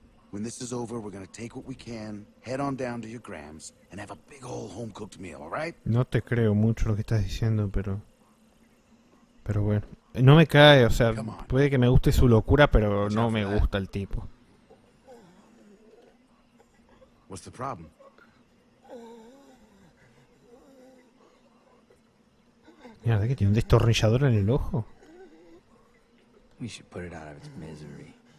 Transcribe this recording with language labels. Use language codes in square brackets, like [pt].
[en] When this is over, we're gonna take what we can, head on down to your grams, and have a big old home cooked meal, all right? [es] No te creo mucho lo que estás diciendo, pero. Pero bueno. No me cae, o sea, puede que me guste su locura, pero no me gusta el tipo. [en] What's the problem? [es] Mira, que tiene un destornillador en el ojo. [en] We should put it out of its misery.